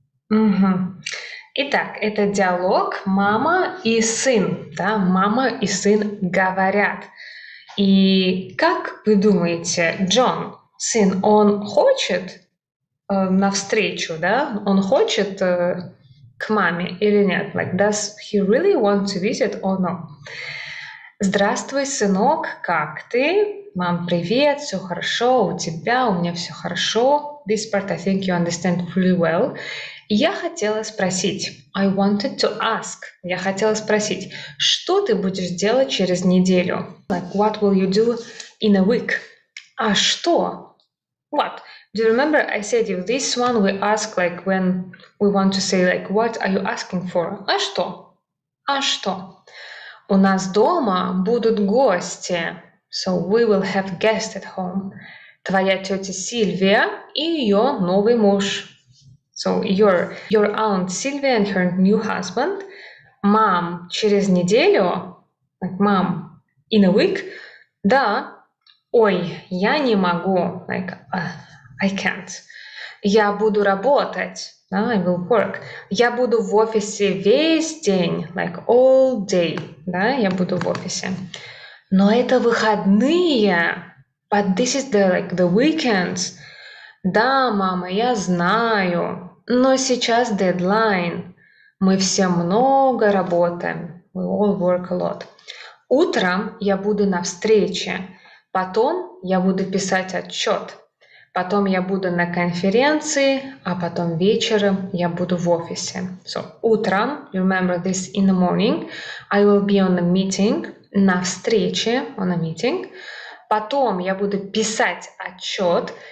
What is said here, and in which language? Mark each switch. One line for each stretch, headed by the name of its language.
Russian: Угу. Итак, это диалог мама и сын, да? Мама и сын говорят. И как вы думаете, Джон, сын, он хочет навстречу, да? Он хочет к маме или нет?
English: Like, does he really want to visit or no?
Russian: Здравствуй, сынок, как ты? Мам, привет, все хорошо, у тебя, у меня все хорошо.
English: This part I think you understand really well.
Russian: Я хотела спросить,
English: I wanted to ask,
Russian: я хотела спросить, что ты будешь делать через неделю?
English: Like, what will you do in a week?
Russian: А что?
English: What? Do you remember I said you this one we ask like when we want to say like, what are you asking for?
Russian: А что? А что? У нас дома будут гости.
English: So we will have guests at home.
Russian: Твоя тетя Сильвия и ее новый муж.
English: So your aunt Sylvia and her new husband.
Russian: Мам, через неделю?
English: Like,
Russian: мам,
English: in a week?
Russian: Да. Ой, я не могу.
English: Like, I can't.
Russian: Я буду работать.
English: I will work.
Russian: Я буду в офисе весь день.
English: Like, all day.
Russian: Да, я буду в офисе. Но это выходные.
English: But this is the, like, the weekends.
Russian: Да, мама, я знаю. Но сейчас дедлайн. Мы все много работаем.
English: We all work a lot.
Russian: Утром я буду на встрече. Потом я буду писать отчет. Потом я буду на конференции. А потом вечером я буду в офисе.
English: So, утром, you remember this, in the morning, I will be on a meeting,
Russian: на встрече,
English: on a meeting.
Russian: Потом я буду писать отчет.